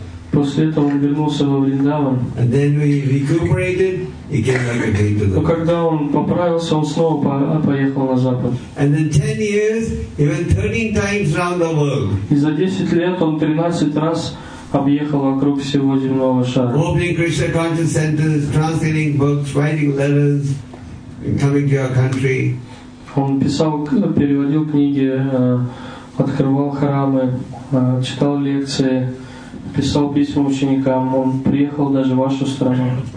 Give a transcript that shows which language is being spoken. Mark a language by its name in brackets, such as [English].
[Russian] После этого он вернулся во Вриндаван. Но когда он поправился, он снова поехал на Запад. И за 10 лет он 13 раз объехал вокруг всего земного шара. [English] Opening Krishna Conscious Centers, translating books, writing letters, coming to our country. [Russian] Он писал, переводил книги, открывал храмы, читал лекции, писал письма ученикам. Он приехал даже в вашу страну.